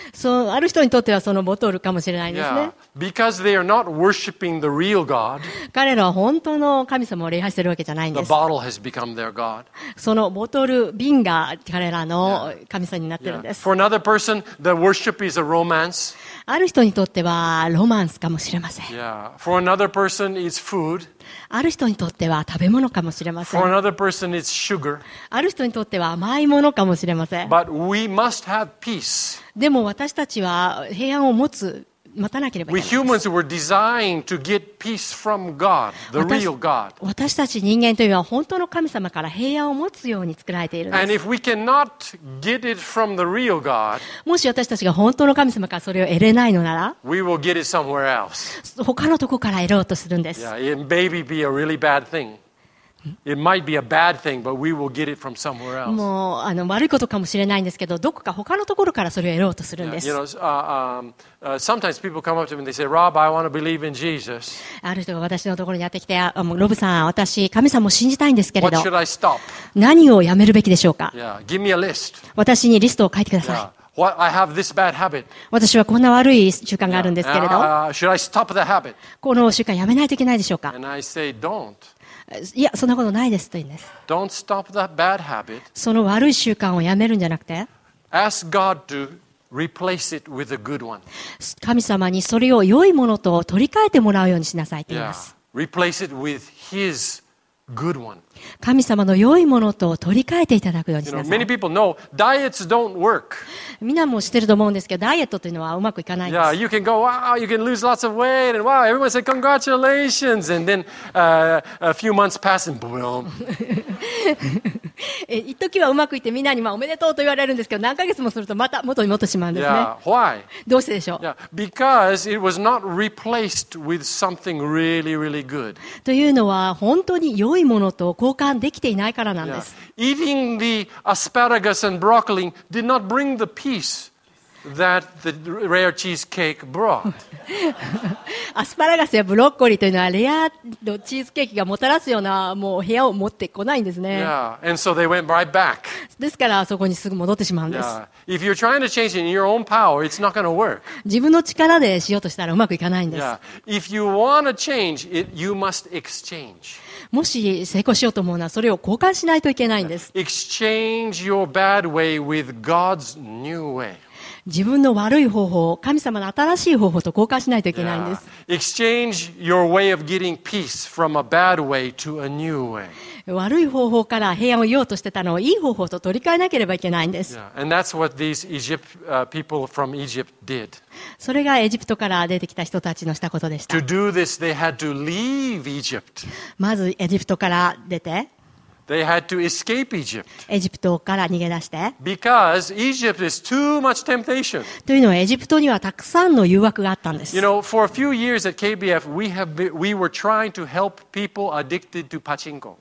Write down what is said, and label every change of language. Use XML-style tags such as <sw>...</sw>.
<ja>そう、ある人にとってはそのボトルかもしれないですね。</ja> <en>Yeah. Because they are not worshiping the real God.</en> <ja>彼らは本当の神様を礼拝してるわけじゃないんです。</ja> <en>The bottle has become their God.</en> <ja>そのボトル、瓶が彼らの神様になってるんです。</ja> <en>Yeah. Yeah. For another person, the worship is a romance.</en> <ja>ある人にとってはロマンスかもしれません。</ja> <en>Yeah. For another person, it's food.</en> <ja>ある人にとっては食べ物かもしれません。</ja> <en>For another person, it's sugar.</en> <ja>ある人にとっては甘いものかもしれません。</ja> <en>But we must have peace.</en> <ja>でも私たちは平安を持つ、待たなければいけないです。</ja> <en>We humans were designed to get peace from God, the real God.</en> <ja>私たち人間というのは本当の神様から平安を持つように作られているんです。</ja> <en>And if we cannot get it from the real God,</en> <ja>もし私たちが本当の神様からそれを得れないのなら、</ja> <en>we will get it somewhere else.</en> <ja>他のところから得ろうとするんです。</ja> <en>Yeah, it may be a really bad thing. It might be a bad thing, but we will get it from somewhere else.</en> <ja>もう悪いことかもしれないんですけど、どこか他のところからそれを得ようとするんです。</ja> <en>Yeah, you know, sometimes people come up to me and they say, Rob, I want to believe in Jesus.</en> <ja>ある人が私のところにやってきて、ロブさん、私、神様を信じたいんですけれど、</ja> <en>What should I stop?</en> <ja>何をやめるべきでしょうか。</ja> <en>Yeah, give me a list.</en> <ja>私にリストを書いてください。</ja> <en>Yeah. What, I have this bad habit.</en> <ja>私はこんな悪い習慣があるんですけれど、</ja> <en>should I stop the habit?</en> <ja>この習慣やめないといけないでしょうか。</ja> <en>And I say, don't.</en> <ja>いや、そんなことないですと言うんです。</ja> <en>Don't stop the bad habit.</en> <ja>その悪い習慣をやめるんじゃなくて、</ja> <en>Ask God to replace it with a good one.</en> <ja>神様にそれを良いものと取り替えてもらうようにしなさいと言います。</ja> <en>Yeah. Replace it with His good one.</en> <ja>神様の良いものと取り替えていただくようにしなさい。</ja> <en>You know, many people know, diets don't work.</en> <ja>みんなも知ってると思うんですけど、ダイエットというのはうまくいかないです。</ja> <en>Yeah, you can go, wow, you can lose lots of weight, and wow, everyone say congratulations, and then a few months pass, and boom.</en> <ja>一時はうまくいってみんなにおめでとうと言われるんですけど、何ヶ月もするとまた元に戻ってしまうんですね。</ja> <en>Yeah, why?</en> <ja>どうしてでしょう。</ja> <en>Yeah, because it was not replaced with something really, really good.</en> <ja>というのは本当に良いものと交換できていないからなんです。</ja> <en>Yeah. Eating the asparagus and broccoli did not bring the peace that the rare cheesecake brought.</en> <ja>アスパラガスやブロッコリーというのはレアのチーズケーキがもたらすようなもう部屋を持ってこないんですね。</ja> <en>Yeah. And so they went right back.</en> <ja>ですからそこにすぐ戻ってしまうんです。</ja> <en>Yeah. If you're trying to change it in your own power, it's not going to work.</en> <ja>自分の力でしようとしたらうまくいかないんです。</ja> <en>Yeah. If you want to change it, you must exchange.</en> <ja>もし成功しようと思うのはそれを交換しないといけないんです。</ja> <en>Exchange your bad way with God's new way.</en> <ja>自分の悪い方法を神様の新しい方法と交換しないといけないんです。</ja> <en>Yeah. Exchange your way of getting peace from a bad way to a new way.</en> <ja>悪い方法から平安を得ようとしてたのをいい方法と取り替えなければいけないんです。</ja> <en>Yeah. And that's what these Egypt, people from Egypt did.</en> <ja>それがエジプトから出てきた人たちのしたことでした。</ja> <en>To do this, they had to leave Egypt.</en> <ja>まずエジプトから出て、</ja> <en>They had to escape Egypt.</en> <ja>エジプトから逃げ出して。</ja> <en>Because Egypt is too much temptation.</en> <ja>というのはエジプトにはたくさんの誘惑があったんです。</ja> <en>You know, for a few years at KBF, we were trying to help people addicted to pachinko.</en>